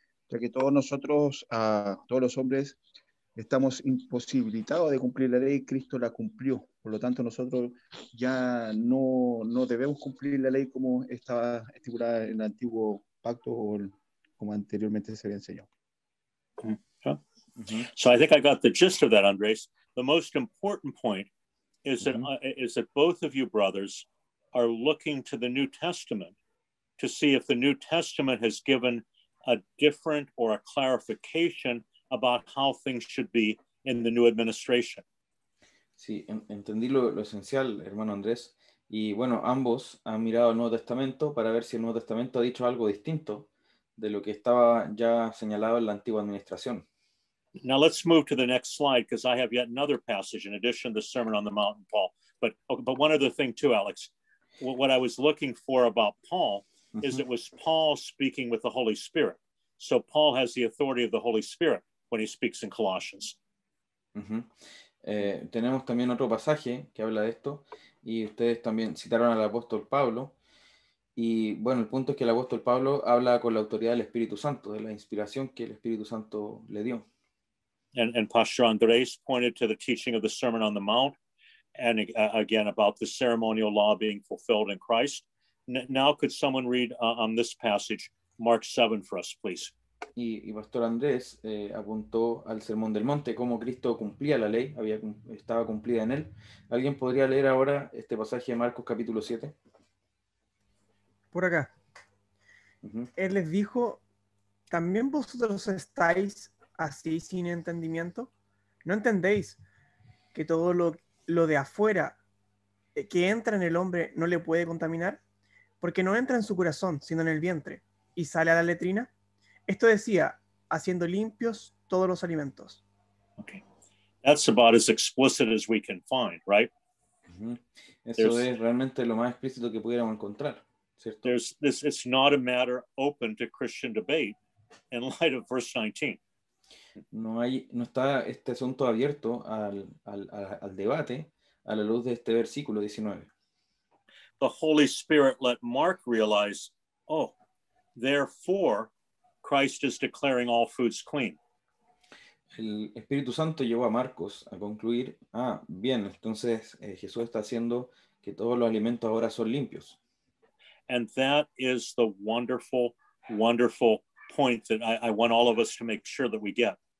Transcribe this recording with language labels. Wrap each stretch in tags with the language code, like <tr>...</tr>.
<es>Ya que todos nosotros, todos los hombres, estamos imposibilitados de cumplir la ley, Cristo la cumplió. Por lo tanto, nosotros ya no debemos cumplir la ley como estaba estipulada en el antiguo pacto o como anteriormente se había enseñado.</es> <en>So I think I got the gist of that, Andres. The most important point is that both of you brothers are looking to the New Testament to see if the New Testament has given a different or a clarification about how things should be in the new administration.</en> <es>Sí, entendí lo esencial, hermano Andrés. Y bueno, ambos han mirado el Nuevo Testamento para ver si el Nuevo Testamento ha dicho algo distinto de lo que estaba ya señalado en la antigua administración.</es> <en>Now let's move to the next slide because I have yet another passage in addition to the Sermon on the Mountain, Paul. But one other thing too, Alex. What I was looking for about Paul is it was Paul speaking with the Holy Spirit. So Paul has the authority of the Holy Spirit when he speaks in Colossians.</en> <es>Tenemos también otro pasaje que habla de esto y ustedes también citaron al apóstol Pablo. Y bueno, el punto es que el apóstol Pablo habla con la autoridad del Espíritu Santo, de la inspiración que el Espíritu Santo le dio.</es> <en>And Pastor Andres pointed to the teaching of the Sermon on the Mount, and again about the ceremonial law being fulfilled in Christ. Now, could someone read on this passage, Mark 7, for us, please?</en> <es>Y Pastor Andrés apuntó al Sermón del Monte, cómo Cristo cumplía la ley, estaba cumplida en él. ¿Alguien podría leer ahora este pasaje de Marcos capítulo 7? Por acá. Él les dijo: ¿También vosotros estáis así sin entendimiento? ¿No entendéis que todo lo de afuera que entra en el hombre no le puede contaminar? Porque no entra en su corazón, sino en el vientre, y sale a la letrina. Esto decía, haciendo limpios todos los alimentos.</es> <en>That's about as explicit as we can find, right?</en> <es>Eso es realmente lo más explícito que pudiéramos encontrar, ¿cierto?</es> <en>There's this it's not a matter open to Christian debate in light of verse 19.</en> <es>No está este asunto abierto al debate a la luz de este versículo 19.</es> <en>The Holy Spirit let Mark realize, oh, therefore Christ is declaring all foods clean.</en> <es>El Espíritu Santo llevó a Marcos a concluir, ah, bien, entonces Jesús está haciendo que todos los alimentos ahora son limpios.</es> <en>And that is the wonderful, wonderful point that I want all of us to make sure that we get.</en>